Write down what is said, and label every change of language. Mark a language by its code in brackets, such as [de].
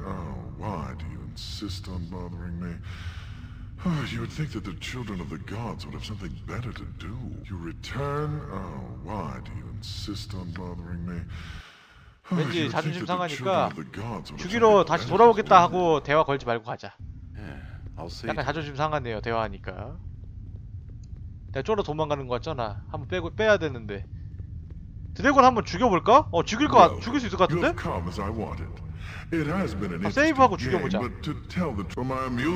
[en] Oh, why do you insist on bothering me? You would think that the children of the gods would have something better to do. You return? Oh, why do you insist on bothering me? [ko] 왠지 자존심 상하니까 죽이러 다시 돌아오겠다 하고 대화 걸지 말고 가자. 약간 자존심 상하네요, 대화하니까. 내가 쫄아 도망가는 거 같잖아. 한번 빼고 빼야 되는데. 드래곤 한번 죽여볼까? 어, 죽일 거 죽일 수 있을 것 같은데? [en] Come as I wanted. It has been an interesting game, but to tell the truth, for my